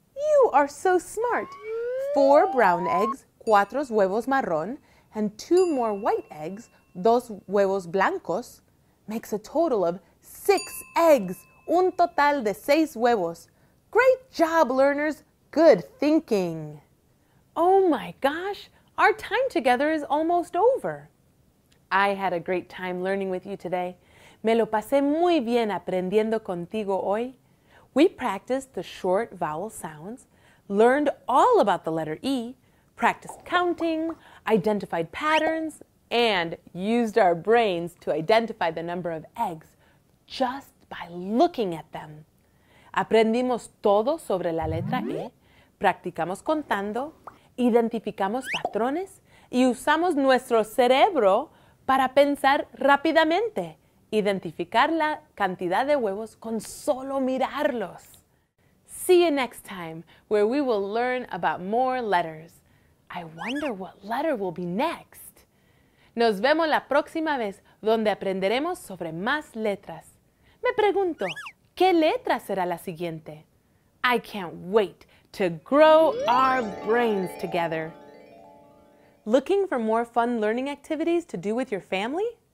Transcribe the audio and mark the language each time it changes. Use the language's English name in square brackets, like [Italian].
[English] You are so smart. 4 brown eggs, [Spanish] 4 huevos marrón, [English] and 2 more white eggs, [Spanish] 2 huevos blancos, [English] makes a total of 6 eggs. [Spanish] Un total de 6 huevos. [English] Great job, learners. Good thinking. Oh my gosh, our time together is almost over. I had a great time learning with you today. [Spanish] Me lo pasé muy bien aprendiendo contigo hoy. [English] We practiced the short vowel sounds, learned all about the letter E, practiced counting, identified patterns, and used our brains to identify the number of eggs just by looking at them. [Spanish] Aprendimos todo sobre la letra E, practicamos contando, identificamos patrones, y usamos nuestro cerebro para pensar rápidamente. Identificar la cantidad de huevos con solo mirarlos. [English] See you next time, where we will learn about more letters. I wonder what letter will be next. [Spanish] Nos vemos la próxima vez, donde aprenderemos sobre más letras. Me pregunto, ¿qué letra será la siguiente? [English] I can't wait to grow our brains together. Looking for more fun learning activities to do with your family?